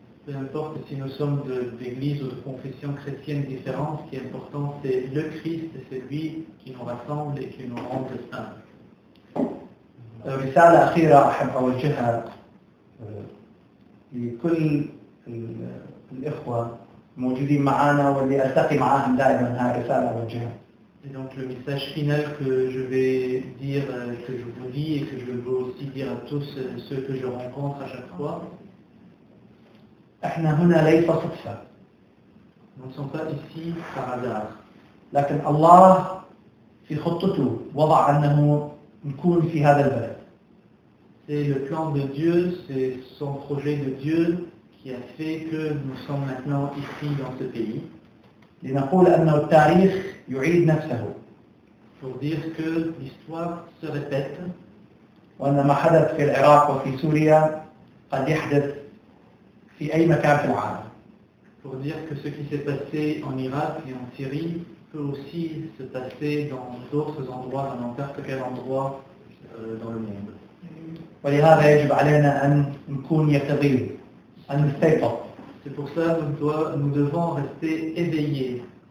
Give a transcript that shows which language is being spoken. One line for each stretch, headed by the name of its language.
French: Peu importe si nous sommes d'église ou de confession chrétienne différente, ce qui est important c'est le Christ, c'est lui qui nous rassemble et qui nous rend un.
Arabic: رسالة أخيرة أحب أوجهها لكل الإخوة موجودين معنا واللي ألتقي معهم دائما هاي رسالة أوجهها.
French: Et donc le message final que je vais dire, que je vous dis et que je veux aussi dire à tous ceux que je rencontre à chaque fois. Nous ne sommes pas ici par hasard. C'est le plan de Dieu, c'est son projet de Dieu qui a fait que nous sommes maintenant ici dans ce pays.
Arabic: لنقول أن التاريخ يعيد نفسه.
French: Pour dire que l'histoire se répète.
Arabic: وأن ما حدث في العراق وفي سوريا قد يحدث في أي مكان في العالم.
French: Pour dire que ce qui s'est passé en Irak et en Syrie peut aussi se passer dans d'autres endroits, dans n'importe quel endroit dans le monde.
Arabic: ولهذا يجب علينا أن نكون يقظين، أن نستيقظ.
French: C'est pour ça que nous devons rester éveillés.